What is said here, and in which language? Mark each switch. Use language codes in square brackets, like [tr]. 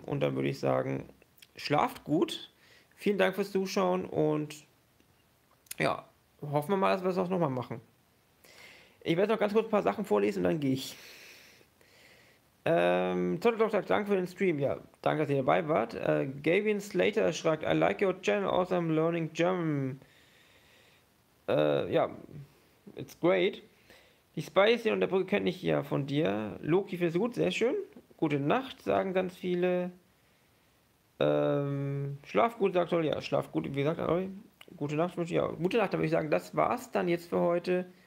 [de] Und dann würde ich sagen, schlaft gut. Vielen Dank fürs Zuschauen und ja, hoffen wir mal, dass wir es auch nochmal machen. Ich werde noch ganz kurz ein paar Sachen vorlesen und dann gehe ich. Zottelok sagt, danke für den Stream. Ja, danke, dass ihr dabei wart. [en] Gavin Slater schreibt, I like your channel, also I'm learning German. Ja, it's great. [de] Die Spice und der Brücke kenne ich ja von dir. Loki findest du gut, sehr schön. Gute Nacht, sagen ganz viele. Schlaf gut, sagt Olli. Ja, schlaf gut, wie gesagt, Olli. Gute Nacht, ja, gute Nacht, dann würde ich sagen, das war's dann jetzt für heute.